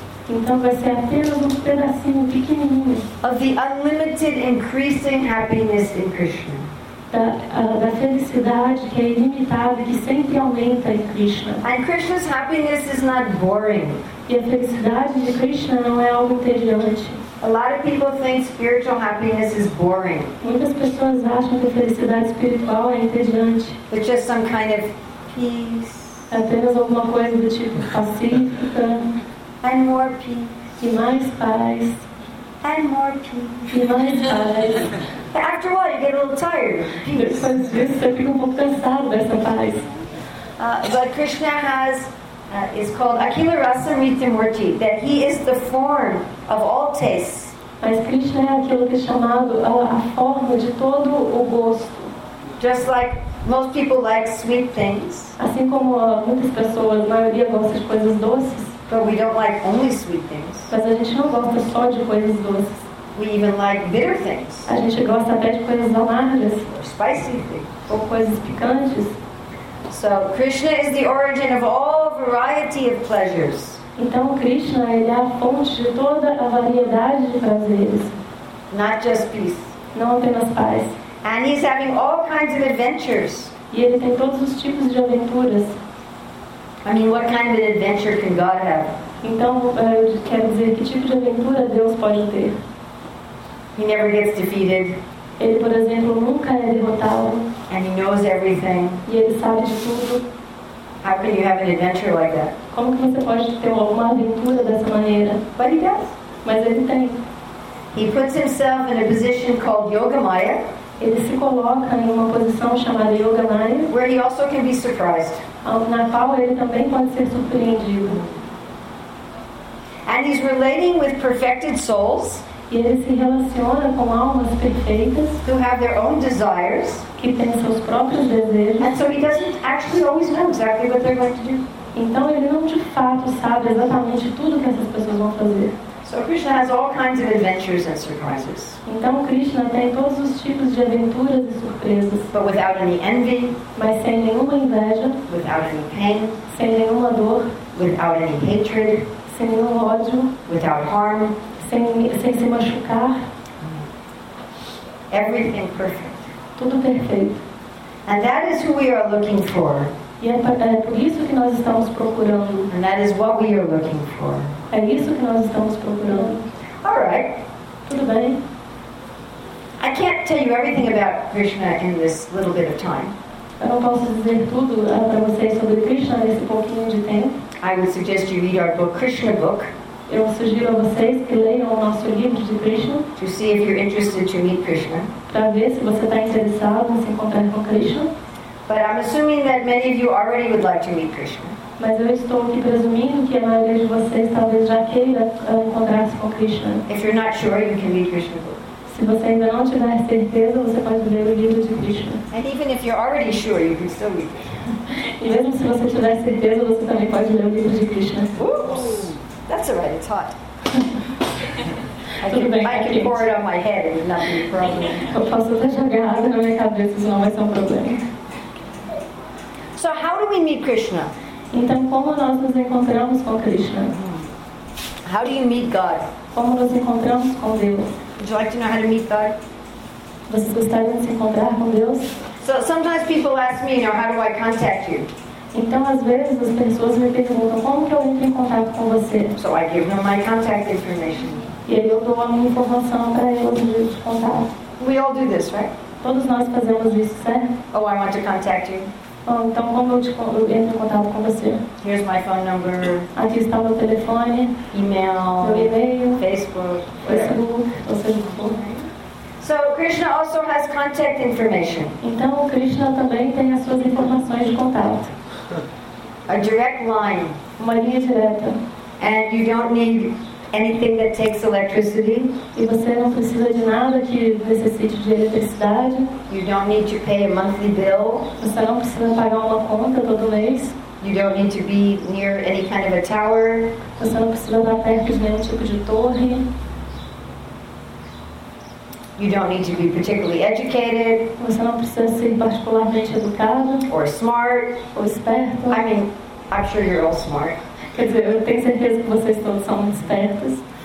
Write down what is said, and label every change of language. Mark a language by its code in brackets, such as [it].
[pt] Então vai ser apenas um pedacinho pequenininho. [en] Of the unlimited increasing happiness in Krishna. [pt] Da felicidade que é ilimitada e que sempre aumenta em Krishna. [en] And Krishna's happiness is not boring. [pt] E a felicidade de Krishna não é algo entediante. [en] A lot of people think spiritual happiness is boring. [pt] Muitas pessoas acham que a felicidade espiritual é entediante. [en] It's just some kind of peace. [pt] Apenas alguma coisa do tipo pacífica. [en] And more peace. [pt] E mais paz. [en] and more tea. He likes pies. After a while, you get a little tired. But Krishna has is called Akhila Rasa Mithimurti, that he is the form of all tastes. [pt] Mas Krishna é aquilo que é chamado a forma de todo o gosto. [en] Just like most people like sweet things. [pt] Assim como muitas pessoas, a maioria gosta de coisas doces. [en] But we don't like only sweet things. [pt] Mas a gente não gosta só de coisas doces. [en] We even like bitter things. [pt] A gente gosta até de coisas amargas. [en] Or spicy things. [pt] Ou coisas picantes. [en] So Krishna is the origin of all variety of pleasures. [pt] Então Krishna ele é a fonte de toda a variedade de prazeres. [en] Not just peace. [pt] Não apenas paz. [en] And he's having all kinds of adventures. [pt] E ele tem todos os tipos de aventuras. [en] I mean, what kind of adventure can God have? [pt] Então, quer dizer, que tipo de aventura Deus pode ter? [en] He never gets defeated. [pt] Ele, por exemplo, nunca é derrotado. [en] And he knows everything. [pt] E ele sabe de tudo. [en] How can you have an adventure like that? [pt] Como que você pode ter alguma aventura dessa maneira? [en] But he does. [pt] Mas ele tem. [en] He puts himself in a position called Yoga Maya. [pt] Ele se coloca em uma posição chamada Yoga Maya. [en] Where he also can be surprised. [pt] Na qual ele também pode ser surpreendido. [en] And he's relating with perfected souls. [pt] E ele se relaciona com almas perfeitas. [en] Who have their own desires. [pt] Que têm seus próprios desejos. [en] And so he doesn't actually always know exactly what they're going to do. [pt] Então ele não de fato sabe exatamente tudo que essas pessoas vão fazer. [en] So Krishna has all kinds of adventures and surprises. [pt] Então Krishna tem todos os tipos de aventuras e surpresas. [en] But without any envy. [pt] Mas sem nenhuma inveja. [en] Without any pain. [pt] Sem nenhuma dor. [en] Without any hatred. [pt] Sem nenhum ódio. [en] Without harm. [pt] Sem se machucar. [en] Everything perfect. [pt] Tudo perfeito. [en] And that is who we are looking for. [pt] E é por isso que nós estamos procurando. [en] And that is what we are looking for. [pt] É isso que nós estamos procurando. [en] All right. [pt] Tudo bem. [en] I can't tell you everything about Krishna in this little bit of time. [pt] Eu não posso dizer tudo para vocês sobre Krishna nesse pouquinho de tempo. [en] I would suggest you read our book, Krishna book. [pt] Eu sugiro a vocês que leiam o nosso livro de Krishna. [en] To see if you're interested to meet Krishna. [pt] Para ver se você está interessado em se encontrar com Krishna. [en] But I'm assuming that many of you already would like to meet Krishna. [pt] Mas eu estou aqui presumindo que a maioria de vocês talvez já queira encontrar-se com Krishna. [en] If you're not sure, you can read Krishna book. [pt] Se você ainda não tiver certeza, você pode ler o livro de Krishna. [en] And even if you're already sure, you can still read Krishna. [pt] E mesmo se você tiver certeza, você também pode ler o livro de Krishna. [en] Oops. That's all right, it's hot. I can pour it on my head and not be a problem. [pt] Eu posso até jogar água na minha cabeça, senão vai ser problema. [en] So how do we meet Krishna? [pt] Então, como nós nos encontramos com Krishna? [en] How do you meet God? [pt] Como nos encontramos com Deus? [en] Would you like to know how to meet God? [pt] Vocês gostariam de se encontrar com Deus? [en] So sometimes people ask me, you know, how do I contact you? [pt] Então, às vezes, as pessoas me perguntam, como que eu entro em contato com você? [en] So I give them my contact information. [pt] E aí eu dou a minha informação para eles de contato. [en] We all do this, right? [pt] Todos nós fazemos isso, certo? [en] Oh, I want to contact you. [pt] Bom, então como eu entro em contato com você? [en] Here's my phone number. [pt] Aqui está meu telefone. [en] E-mail. [pt] Meu e-mail. [en] Facebook. [pt] Ou seja, o [en] So Krishna also has contact information. [pt] Então o Krishna também tem as suas informações de contato. [en] A direct line. [pt] Uma linha direta. [en] And you don't need anything that takes electricity. [pt] E você não precisa de nada que necessite de eletricidade. [en] You don't need to pay a monthly bill. [pt] Você não precisa pagar uma conta todo mês. [en] You don't need to be near any kind of a tower. [pt] Você não precisa estar perto de nenhum tipo de torre. [en] You don't need to be particularly educated. [pt] Você não precisa ser particularmente educado. [en] Or smart. [pt] Ou esperto. [en] I mean, I'm sure you're all smart. [pt] Quer dizer, eu tenho certeza que vocês todos são muito espertos.